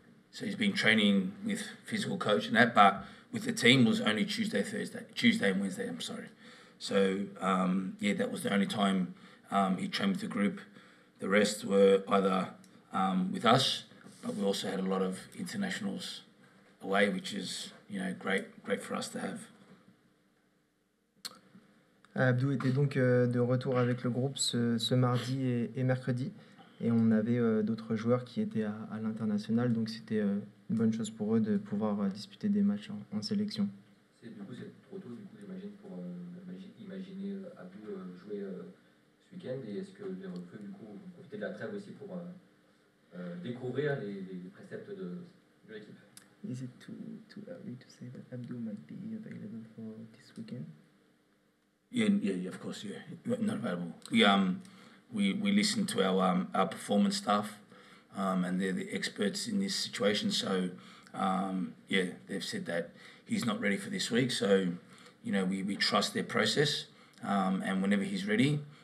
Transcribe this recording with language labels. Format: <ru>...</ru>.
<en>So he's been training with physical coach and that, but with the team was only Tuesday and Wednesday, I'm sorry. So yeah, that was the only time he trained with the group. The rest were either with us, but we also had a lot of internationals away, which is, great for us to have.</en> <fr>Abdou était donc de retour avec le groupe ce mardi et mercredi. Et on avait d'autres joueurs qui étaient à l'international. Donc c'était une bonne chose pour eux de pouvoir disputer des matchs en sélection. C'est du coup c'est trop tôt du coup j'imagine pour imaginer Abdou jouer ce week-end. Et est-ce que les recrues du coup vont profiter de la trêve aussi pour découvrir les préceptes de l'équipe?</fr> <en>Is it too early to say that Abdou might be available for this weekend? Yeah, of course, yeah. Not available. We listen to our performance staff, and they're the experts in this situation. So, yeah, they've said that he's not ready for this week. So, we trust their process, and whenever he's ready,</en>